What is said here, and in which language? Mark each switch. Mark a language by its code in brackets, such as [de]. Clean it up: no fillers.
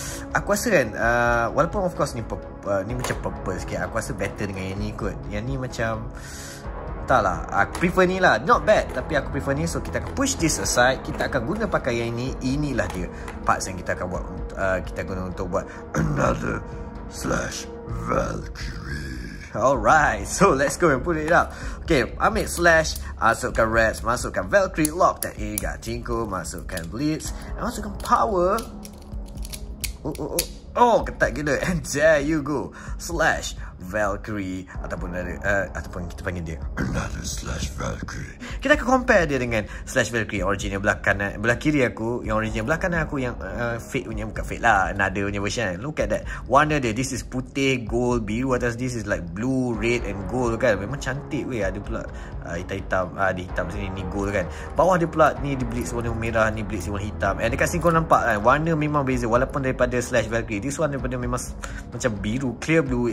[ms] Aku rasa kan, walaupun [en] of course [ms] ni ni macam purple sikit, aku rasa better dengan yang ni kot. Yang ni macam, tak lah, aku prefer ni lah. [en] Not bad, [ms] tapi aku prefer ni. [en] So [ms] kita akan [en] push this aside. [ms] Kita akan guna pakai yang ini. Inilah dia parts yang kita akan buat, kita guna untuk buat Another Slash Valkyrie. [en] Alright, so let's go and put it up. [ms] Okay, ambil slash, masukkan Reds, masukkan Valkyrie, [en] lock that [ms] Aga Tinko, masukkan Blitz, and masukkan Power. Oh, ketat gila. [en] And there you go. [ms] Slash Valkyrie. Ataupun ada, ataupun kita panggil dia Another Slash Valkyrie. Kita akan compare dia dengan Slash Valkyrie original belah kanan, belah kiri aku. Yang original belah kanan aku, yang fake punya. Bukan fake lah, another punya version. [en] Look at that [ms] warna dia. [en] This is [ms] putih, gold, biru. [en] Atas this is like blue, red and gold kan. [ms] Memang cantik weh. Ada pula hitam-hitam, ada hitam sini. Ni gold kan. Bawah dia pula, ni dia blitz warna merah, ni blitz warna hitam. And dekat sini korang nampak kan, warna memang beza. Walaupun daripada Slash Valkyrie, [en] this one [ms] daripada memang macam biru, clear blue.